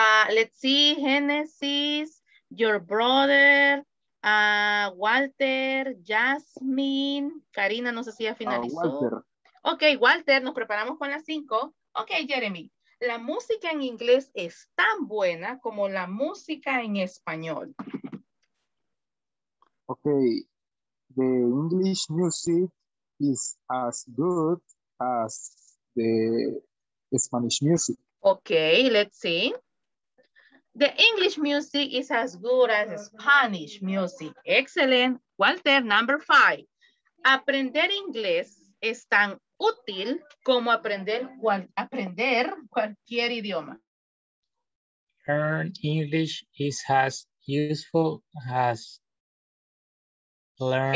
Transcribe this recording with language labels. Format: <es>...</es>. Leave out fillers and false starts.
<en>Let's see,</en> <es>Genesis, your brother, Walter, Jasmine, Karina, no sé si ya finalizó. Walter. Ok, Walter, nos preparamos con las 5. Ok, Jeremy, la música en inglés es tan buena como la música en español.</es> <en>Ok, the English music is as good as the Spanish music. Okay, let's see. The English music is as good as Spanish music. Excellent. Walter, number 5.</en> <es>Aprender inglés es tan útil como aprender cualquier idioma.</es> <en>Learn English is as useful as learn.</en>